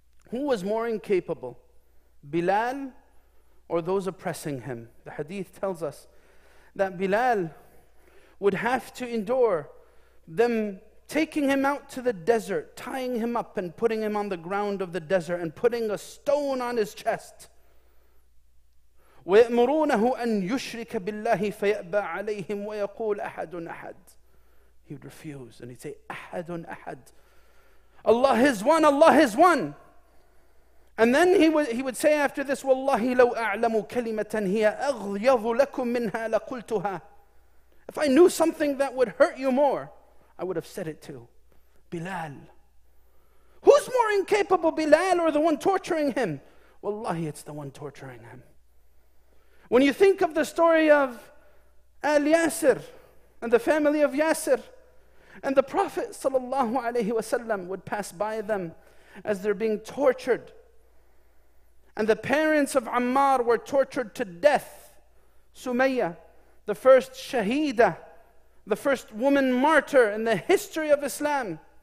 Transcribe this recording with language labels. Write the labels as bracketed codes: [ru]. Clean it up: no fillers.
[en] Who was more incapable? Bilal or those oppressing him? The hadith tells us that Bilal would have to endure them taking him out to the desert, tying him up and putting him on the ground of the desert and putting a stone on his chest. [ar] ويأمرونه أن يشرك بالله فيأبى عليهم ويقول أحد أحد. [en] He would refuse and he'd say [ar] أحد أحد. [en] Allah is one, Allah is one. And then he would say after this, [ar] وَاللَّهِ لَوْ أَعْلَمُ كَلِمَةً هِيَ أَغْيَظُ لَكُم مِّنْهَا لَقُلْتُهَا. [en] If I knew something that would hurt you more, I would have said it too. Bilal. Who's more incapable, Bilal or the one torturing him? Wallahi, it's the one torturing him. When you think of the story of Al Yasir and the family of Yasir, and the Prophet sallallahu alayhi wasallam would pass by them as they're being tortured, and the parents of Ammar were tortured to death, Sumayya, the first shahida, the first woman martyr in the history of Islam.